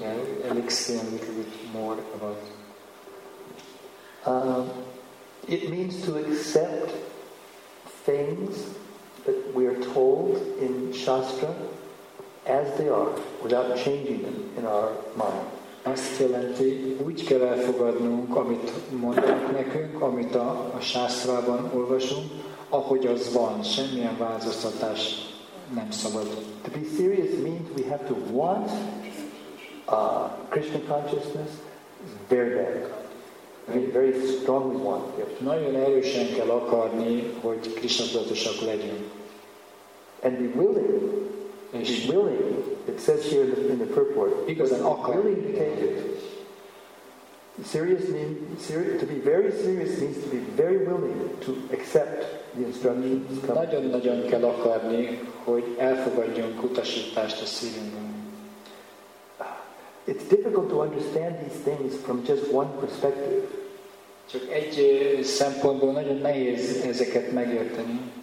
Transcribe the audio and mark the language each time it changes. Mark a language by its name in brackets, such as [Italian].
[English] Yeah, explain a little bit more about it means to accept things that we are told in Shastra as they are, without changing them in our mind. [Hungarian] Azt jelenti, úgy kell elfogadnunk, amit mondanak nekünk, amit a Shastrában olvasunk, ahogy az van, semmilyen változtatás nem szabad. [English] To be serious means we have to want Krishna consciousness very bad. We very strongly want. [Hungarian] Nagyon erősen kell akarni, hogy Krishna tudatosak legyünk. [English] And be willing. Be willing. It says here in the purport. [Hungarian] Igazán akar. [English] Willing to take it. Serious means to be very serious means to be very willing to accept the instructions. [Hungarian] Nagyon-nagyon kell akarni, hogy elfogadjunk utasítást a szívünkben. [English] It's difficult to understand these things from just one perspective. [Hungarian] Csak egy szempontból nagyon nehéz ezeket megérteni.